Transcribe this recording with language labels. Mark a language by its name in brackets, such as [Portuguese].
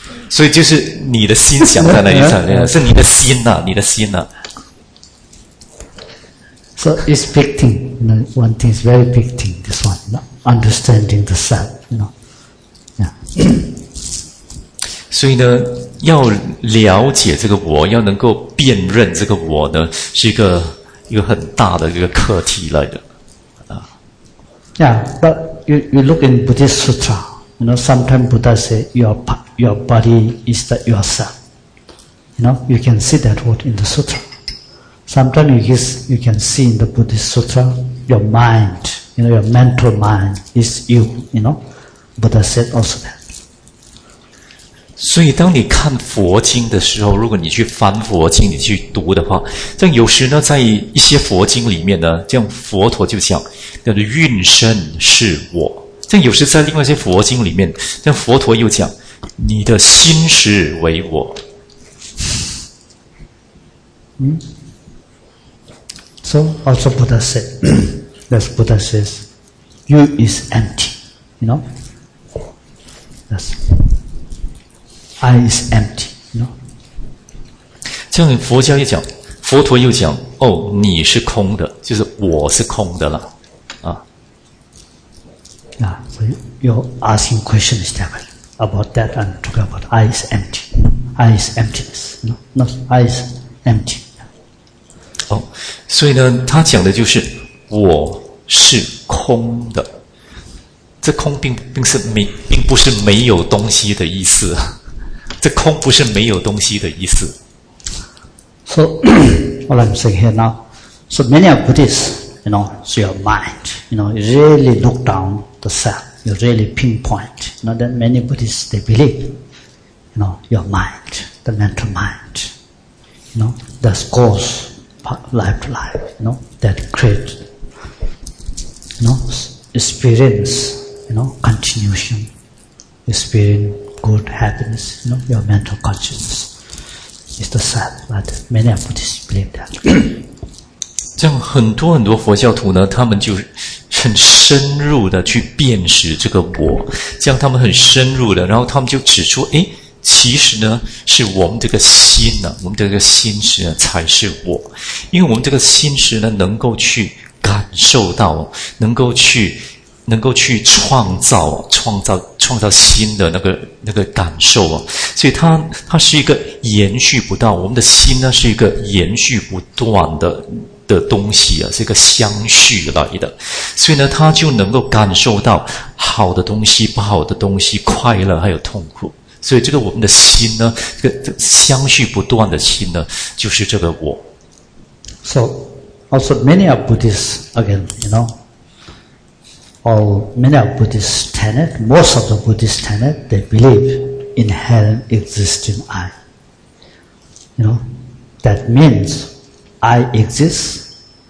[Chinese] 所以就是你的心想在哪里在哪里，是你的心啊，你的心啊。 [English] So it's big thing. One thing is very big thing, this one. Understanding the self, you know. Yeah. [Chinese] 所以呢，要了解这个我，要能够辨认这个我呢，是一个很大的一个课题来的， [English] Yeah, but you look in Buddhist sutra, you know, sometimes Buddha say your body is the yourself, you know, you can see that word in the sutra. Sometimes you can see in the Buddhist sutra your mind, you know, your mental mind is you, you know, Buddha said also that. [Chinese] 所以当你看佛经的时候，如果你去翻佛经，你去读的话，这样有时呢，在一些佛经里面呢，这样佛陀就讲叫做运身是我，这样有时在另外一些佛经里面，这样佛陀又讲你的心识为我。 [English] So also Buddha said that Buddha says you is empty, you know, that's I is empty. No. [Chinese] 像佛教又讲，佛陀又讲，哦，你是空的，就是我是空的了。 [English] So you're asking questions, Devan, about that. I'm talking about I is empty. I is emptiness. No, not I is empty. [Chinese] 哦，所以呢，他讲的就是我是空的。这空并不是没有东西的意思。这空不是没有东西的意思。 [English] So what I'm saying here now. So many of Buddhists, you know, so your mind, you know, really look down. The self, you really pinpoint. You know, that many Buddhists, they believe, you know, your mind, the mental mind, you know, that's cause life to life, you know, that create, you know, experience, you know, continuation, experience good happiness, you know, your mental consciousness is the self, but many Buddhists believe that. [Chinese] 这样很多很多佛教徒呢，他们就很深入的去辨识这个我，这样他们很深入的，然后他们就指出，诶，其实呢，是我们这个心呢、啊，我们这个心识呢才是我，因为我们这个心识呢，能够去感受到，能够去创造新的那个感受啊，所以它是一个延续不到，我们的心呢是一个延续不断的东西啊，是一个相续来的，所以呢，他就能够感受到好的东西、不好的东西、快乐还有痛苦。所以这个我们的心呢，这个相续不断的心呢，就是这个我。 [English] So, also many of Buddhists again, you know, or many of Buddhist tenet, most of the Buddhist tenet, they believe inherent existing I. You know, that means. I exist.